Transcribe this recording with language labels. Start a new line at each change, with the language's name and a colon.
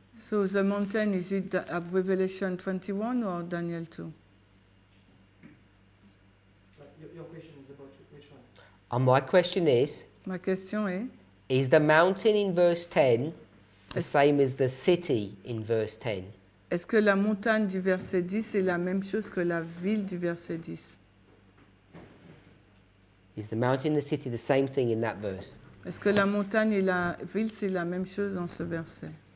English: So the mountain, is it of Revelation 21 or Daniel 2? Your question is about which one? And my question is,
French: ma question est,
English: is the mountain in verse 10 the same as the city in verse 10?
French: Est-ce que la montagne du verset 10 est la même chose que la ville du verset 10?
English: Is the mountain and the city the same thing in that verse?
French: Est-ce que la montagne et la ville, c'est la même chose dans ce verset?